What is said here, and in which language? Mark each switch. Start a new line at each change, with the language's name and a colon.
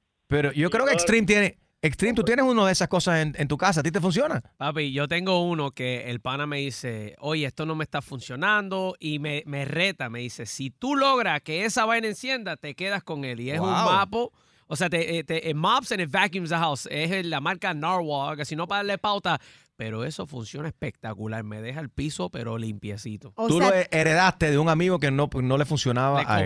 Spanish: Pero yo creo que Extreme, tú tienes uno de esas cosas en tu casa. ¿A ti te funciona? Papi, yo tengo uno que el pana me dice, oye, esto no me está funcionando. Y me reta, me dice, si tú logras que esa vaina encienda, te quedas con él. Y es un mapo. O sea,
English: it mops and it vacuums the house.
Spanish: Es la marca Narwhal, que si no, para darle pauta. Pero eso funciona espectacular. Me deja el piso, pero limpiecito. O Tú lo heredaste de un amigo que no le funcionaba a él.